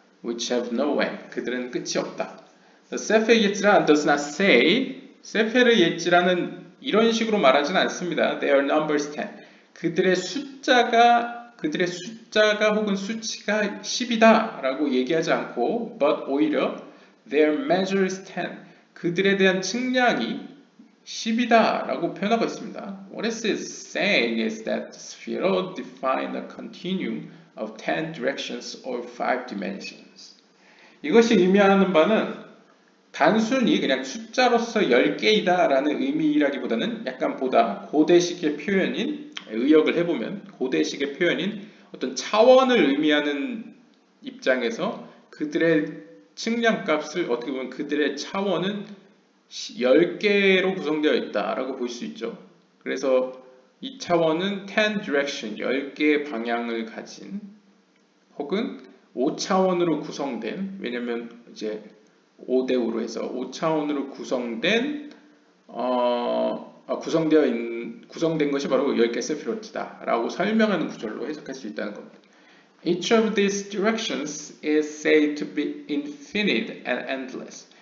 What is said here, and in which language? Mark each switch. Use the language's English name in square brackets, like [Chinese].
[English] Which have no end. [Korean] 그들은 끝이 없다. [English] The Sepheyetzran does not say, Sepheyetzran은 [Korean] 이런 식으로 말하진 않습니다. [English] Their number is 10. [Korean] 그들의 숫자가 혹은 수치가 10이다. 라고 얘기하지 않고, [English] but [Korean] 오히려 [English] Their measure is 10. [Korean] 그들에 대한 측량이 10이다 라고 표현하고 있습니다. [English] What is it saying is that spheroid define a continuum of 10 directions or 5 dimensions. [Korean] 이것이 의미하는 바는 단순히 그냥 숫자로서 10개이다 라는 의미라기보다는 약간 보다 고대식의 표현인 의역을 해보면 고대식의 표현인 어떤 차원을 의미하는 입장에서 그들의 측량값을 어떻게 보면 그들의 차원은 10개로 구성되어 있다라고 볼수 있죠. 그래서 이 차원은 [English] 10 direction, [Korean] 10개의 방향을 가진 혹은 5차원으로 구성된, 왜냐면 이제 5대5로 해서 5차원으로 구성된 것이 바로 10개 세피로트다라고 설명하는 구절로 해석할 수 있다는 겁니다. [English] Each of these directions is said to be infinite and endless.